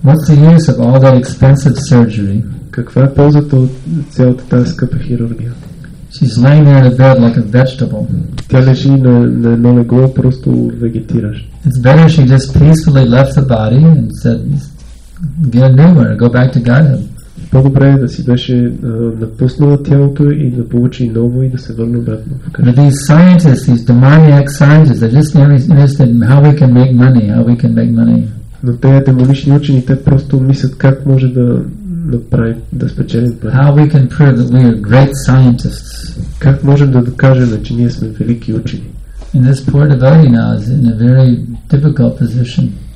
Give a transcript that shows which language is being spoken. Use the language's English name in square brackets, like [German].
[English] What's the use of all that expensive surgery? [Bulgarian] Каква е ползата от цялата тази скъпа хирургия? [English] She's laying there in a bed like a vegetable. [Bulgarian] Тя лежи на едно легло, просто вегетираш. [English] It's better she just peacefully left the body and said, get a new one, go back to Godhead. [Bulgarian] По-добре е да си беше напуснала тялото и да получи ново и да се върне обратно в къща. [English] But these scientists, these demoniac scientists, they're just interested in how we can make money, how we can make money. [Bulgarian] Но те демонични учени, те просто мислят как може да направим, да спечелим пари. [English] How we can prove that we are great scientists. [Bulgarian] Как можем да докажем, че ние сме велики учени. [English] And this poor devotee now is in a very difficult position.